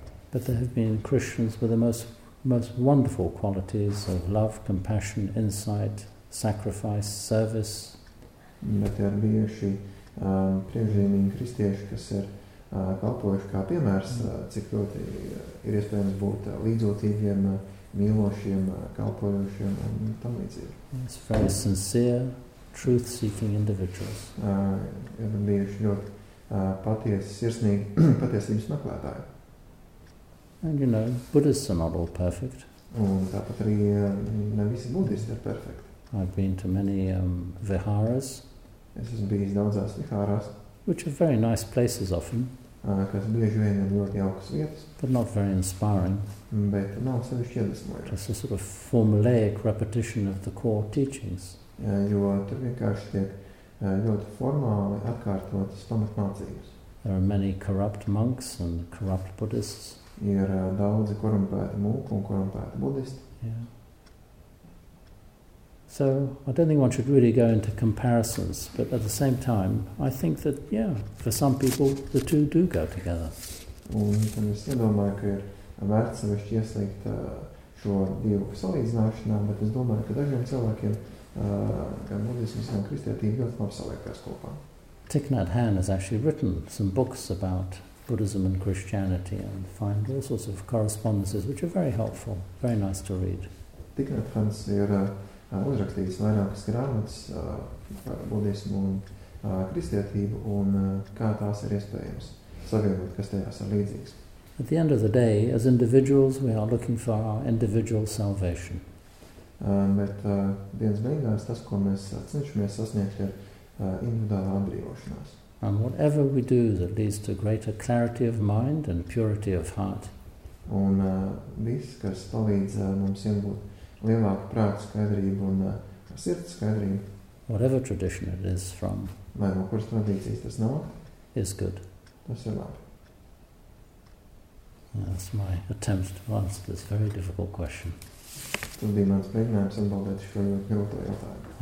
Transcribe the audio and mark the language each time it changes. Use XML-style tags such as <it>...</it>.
<en>But there have been Christians with the most wonderful qualities of love, compassion, insight, sacrifice, service.</en> <lv>Bet ir bijuši priežīmīgi kristieši, kas ir kalpojuši kā piemērs, cik ļoti ir iespējams būt līdzotīgiem, mīlošiem, kalpojošiem un tam līdzīgi.</lv> <en>It's very sincere, truth-seeking individuals.</en> <lv>Ir bijuši ļoti patiesi, sirsnīgi, patiesības meklētāji.</lv> <en>And you know, Buddhists are not all perfect.</en> <lv>Un tāpat arī ne visi budisti ir perfekti.</lv> <en>I've been to many viharas.</en> <lv>Es esmu bijis daudzās viharās,</lv> <en>which are very nice places often.</en> <lv>Kas bieži vien ir ļoti jaukas vietas.</lv> <en>But not very inspiring.</en> <lv>Bet nav sevišķi iedvesmojoši.</lv> <en>Just a sort of formulaic repetition of the core teachings.</en> <lv>Jo tur vienkārši tiek ļoti formāli atkārtotas pamatmācības.</lv> <en>There are many corrupt monks and corrupt Buddhists.</en> <lv>Ir daudzi korumpēti mūki un korumpēti budisti.</lv> <en>Yeah. So I don't think one should really go into comparisons, but at the same time, I think that, yeah, for some people, the two do go together.</en> <lv>Un tad es iedomāju, ka ir vērts sevišķi ieslīgt šo divu salīdzināšanā, bet es domāju, ka dažiem cilvēkiem, gan budismas, gan kristietība, ļoti labi saliekās kopā.</lv> <en>Thich Nhat Hanh has actually written some books about Buddhism and Christianity and find all sorts of correspondences, which are very helpful, very nice to read.</en> <lv>Thich Nhat Hanh ir uzrakstījis vairākas grāmatas par budismu un kristietību un kā tās ir iespējams savienot, kas tajās ir līdzīgs.</lv> <en>At the end of the day, as individuals, we are looking for our individual salvation.</en> <lv>Bet dienas beigās tas, ko mēs cenšamies sasniegt, ir individuālā atbrīvošanās.</lv> <en>And whatever we do that leads to greater clarity of mind and purity of heart.</en> <lv>Un viss, kas palīdz mums iegūt lielāku prātu skaidrību un sirds skaidrību.</lv> <en>Whatever tradition it is from.</en> <lv>Vai no kuras tradīcijas tas nav?</lv> <en>Is good.</en> <lv>Tas ir labi.</lv> <en>That's my attempt to answer this very difficult question.</en> <lv>Tas bija mans mēģinājums atbildēt šo ļoti grūto jautājumu.</lv>